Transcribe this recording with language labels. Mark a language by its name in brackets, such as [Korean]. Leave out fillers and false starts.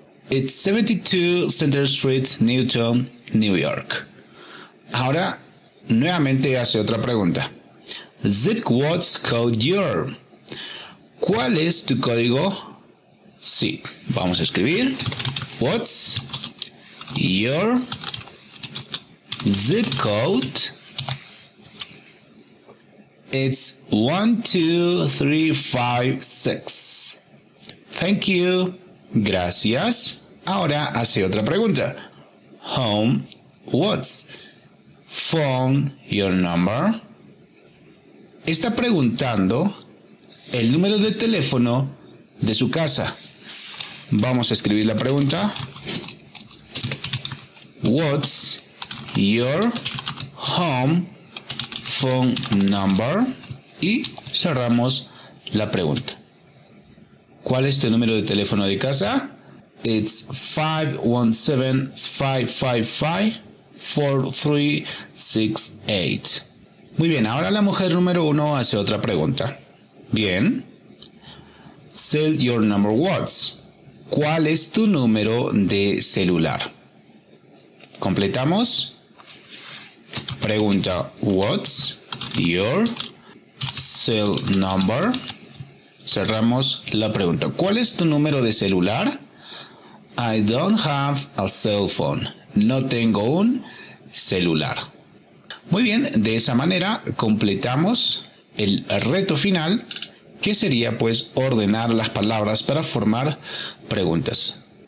[English] It's 72 Center Street, Newtown, New York. [Spanish] Ahora, nuevamente hace otra pregunta. [English] Zip what's code your? [Spanish] ¿Cuál es tu código? Sí, vamos a escribir. [English] What's your zip code? It's 12356. Thank you. [Spanish] Gracias. Ahora hace otra pregunta. [English] Home, what's phone your number? [Spanish] Está preguntando el número de teléfono de su casa. Vamos a escribir la pregunta. [English] What's your home phone number? [Spanish] Y cerramos la pregunta. ¿Cuál es tu número de teléfono de casa? [English] It's 517-555-4368. [Spanish] Muy bien, ahora la mujer número 1 hace otra pregunta. Bien. [English] Cell your number what? [Spanish] ¿Cuál es tu número de celular? Completamos. [English] Pregunta, what's your cell number? [Spanish] Cerramos la pregunta. ¿Cuál es tu número de celular? [English] I don't have a cell phone. [Spanish] No tengo un celular. Muy bien, de esa manera completamos el reto final, que sería pues ordenar las palabras para formar preguntas.